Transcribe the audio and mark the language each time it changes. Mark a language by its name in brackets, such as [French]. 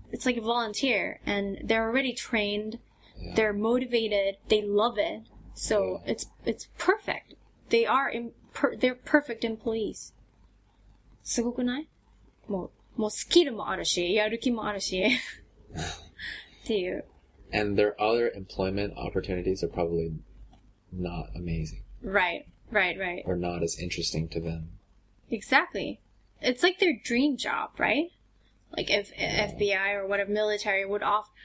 [English] It's like a volunteer, and they're already trained, they're motivated, they love it, so it's perfect. They're perfect employees. [Japanese] すごくない? もうスキルもあるし、やる気もあるし。っていう。 [English] And their other employment opportunities are probably not amazing. Right. Or not as interesting to them. Exactly. It's like their dream job, right? Like if FBI or whatever military would offer